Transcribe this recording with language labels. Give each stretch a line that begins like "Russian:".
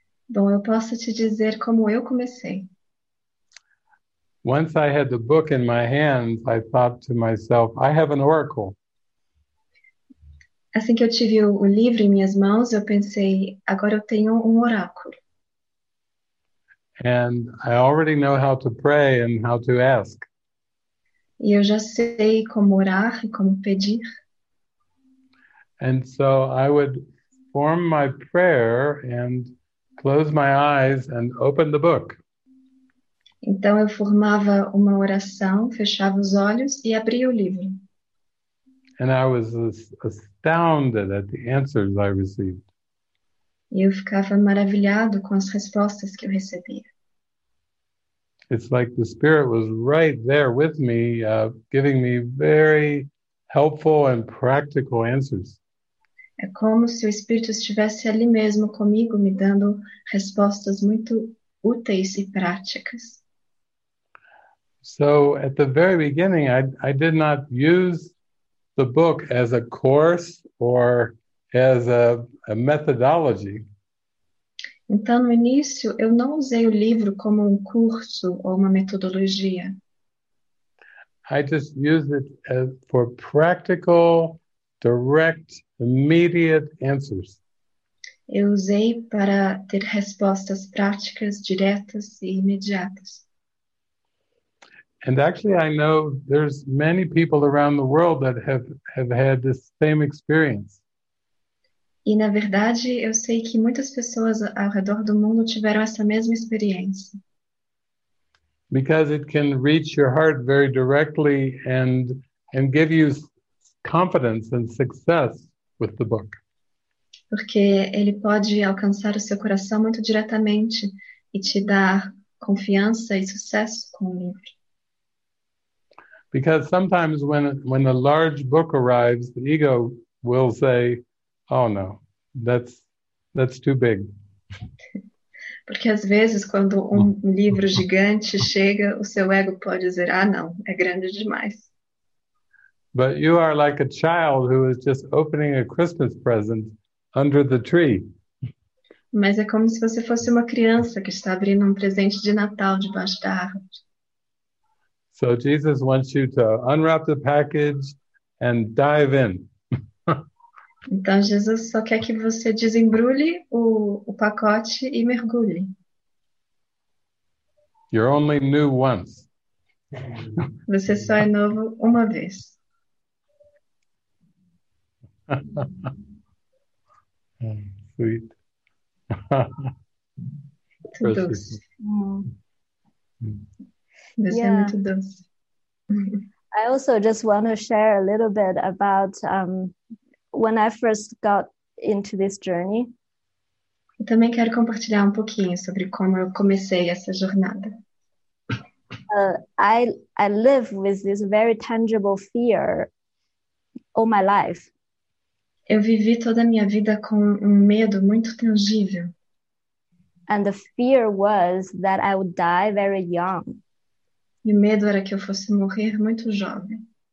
Portuguese: Bom, eu posso te dizer como eu comecei.
English: Once I had the book in my hands, I thought to myself, I have an oracle.
Portuguese: Assim que eu tive o livro em minhas mãos, eu pensei, agora eu tenho oráculo.
English: And I already know how to pray and how to ask.
Portuguese: E eu já sei como orar e como pedir.
English: And so I would form my prayer and close my eyes and open the book.
Portuguese: Então eu formava uma oração, fechava os olhos e abria o livro.
English: And I was astounded at the answers I received.
Portuguese: E eu ficava maravilhado com as respostas que eu recebia.
English: It's like the Spirit was right there with me, giving me very helpful and practical answers.
Portuguese: É como se o Espírito estivesse ali mesmo comigo, me dando respostas muito úteis e práticas.
English: So at the very beginning, I did not use the book as a course or as a methodology.
Portuguese: Então, no início, eu não usei o livro como curso ou uma metodologia.
English: I just used it for practical, direct, immediate answers.
Portuguese: Eu usei para ter respostas práticas, diretas e imediatas.
English: And actually, I know there's many people around the world that have had this same experience.
Portuguese: E, na verdade, eu sei que muitas pessoas ao redor do mundo tiveram essa mesma experiência.
English: Because it can reach your heart very directly and give you confidence and success with the book.
Portuguese: Porque ele pode alcançar o seu coração muito diretamente e te dar confiança e sucesso com o livro.
English: Because sometimes when a large book arrives, the ego will say, oh no, that's too big.
Portuguese: Porque às vezes quando livro gigante chega, o seu ego pode dizer, ah não, é grande demais.
English: But you are like a child who is just opening a Christmas present under the tree.
Portuguese: Mas é como se você fosse uma criança que está abrindo um presente de Natal debaixo da árvore.
English: So Jesus wants you to unwrap the package and dive in.
Portuguese: Então Jesus só quer que você desembrulhe o pacote e mergulhe.
English: You're only new once.
Portuguese: Você só é novo uma vez.
English: Sweet.
Portuguese: Tudo doce. Você é muito doce.
English: I also just want to share a little bit about when I first got into this journey.
Portuguese: Eu também quero compartilhar um pouquinho sobre como eu comecei essa jornada.
English: I live with this very tangible fear all my life.
Portuguese: Eu vivi toda a minha vida com medo muito tangível.
English: And the fear was that I would die very young.
Portuguese: E o medo era que eu fosse morrer muito jovem.